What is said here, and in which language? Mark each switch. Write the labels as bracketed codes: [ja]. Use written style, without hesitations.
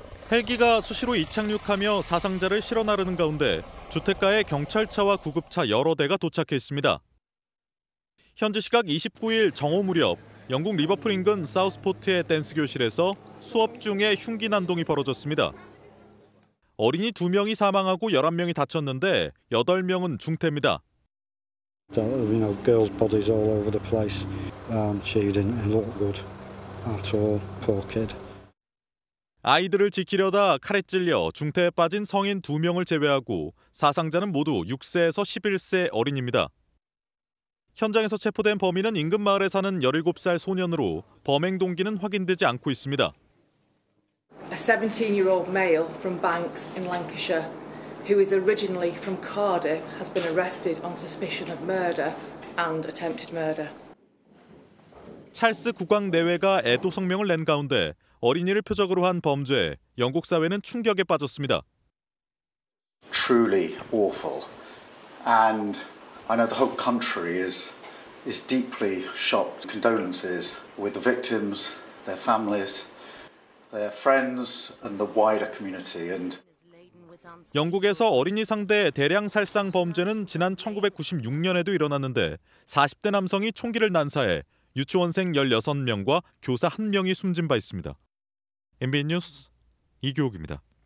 [ko] 헬기가 수시로 이착륙하며 사상자를 실어 나르는 가운데 주택가에 경찰차와 구급차 여러 대가 도착해 있습니다. 현지 시각 29일 정오 무렵 영국 리버풀 인근 사우스포트의 댄스 교실에서 수업 중에 흉기 난동이 벌어졌습니다. 어린이 2명이 사망하고 11명이 다쳤는데 8명은 중태입니다. [en] Girls' bodies all over the place. She didn't look good at all. Poor kid. [ko] 아이들을 지키려다 칼에 찔려 중태에 빠진 성인 2명을 제외하고 사상자는 모두 6세에서 11세 어린입니다. 현장에서 체포된 범인은 인근 마을에 사는 17살 소년으로 범행 동기는 확인되지 않고 있습니다. [en] A 17-year-old male from Banks in Lancashire who is originally from Cardiff has been arrested on suspicion of murder and attempted murder. [ko] 찰스 국왕 내외가 애도 성명을 낸 가운데 어린이를 표적으로 한 범죄에 영국 사회는 충격에 빠졌습니다. [en] Truly awful. And I know the whole country is deeply shocked. Condolences with the victims, their families, their friends and the wider community. And [ko] 영국에서 어린이 상대 대량 살상 범죄는 지난 1996년에도 일어났는데 40대 남성이 총기를 난사해 유치원생 16명과 교사 1명이 숨진 바 있습니다. MBN 뉴스 이교욱입니다.